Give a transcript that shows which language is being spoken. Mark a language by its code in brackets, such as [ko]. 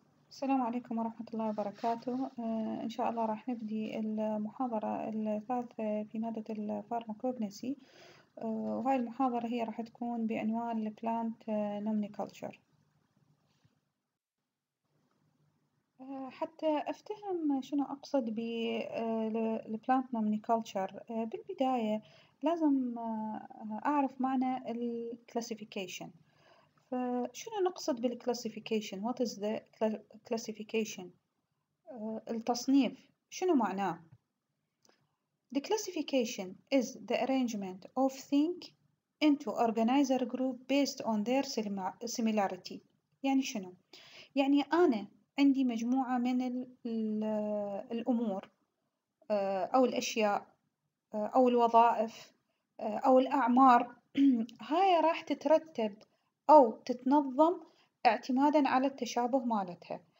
[ar] السلام عليكم ورحمة الله وبركاته. إن شاء الله راح نبدي المحاضرة الثالثة في مادة الفارماكوجنسي، وهاي المحاضرة هي راح تكون بعنوان البلانت نومنيكلتشر. حتى أفتهم شنو أقصد بالبلانت نومنيكلتشر، بالبداية لازم أعرف معنى الكلاسيفيكيشن. فشنو نقصد بالكلاسيفيكيشن؟ [en] What is the classification؟ [ar] التصنيف شنو معناه؟ [en] The classification is the arrangement of things into organizer group based on their similarity. [ar] يعني شنو؟ يعني أنا عندي مجموعة من الأمور أو الأشياء أو الوظائف أو الأعمار، هاي راح تترتب أو تتنظم اعتماداً على التشابه مالتها.